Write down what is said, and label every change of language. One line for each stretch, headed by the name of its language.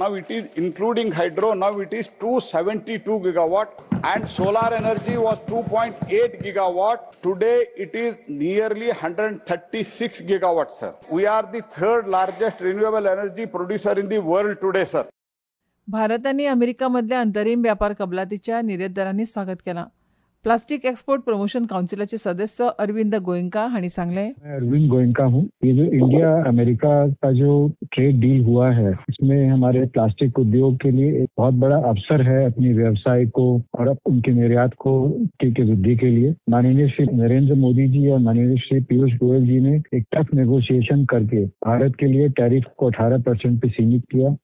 English: Now it is including hydro, now it is 272 gigawatt. And solar energy was 2.8 gigawatt. Today it is nearly 136 gigawatt, sir. We are the third largest renewable energy producer in the world today, sir.
Konkani: Bharat आनी अमेरिका मदल्या अंतरीम व्यापार कबलातीच्या निर्यातदारांनी स्वागत केला. Plastic export promotion काउंसिलाचे सदस्य अरविंद गोयंका हांणी सांगले. अरविंद गोयंका हूं.
Hindi: ये जो इंडिया अमेरिका का जो ट्रेड डील हुआ है इसमें हमारे प्लास्टिक उद्योग के लिए एक बहुत बड़ा अवसर है अपने व्यवसाय को और उनके निर्यात को की वृद्धि के लिए. माननीय श्री नरेंद्र मोदी जी और माननीय श्री पीयूष गोयल जी ने एक टफ नेगोशिएशन करके भारत के लिए टैरिफ को 18% पे सीमित किया.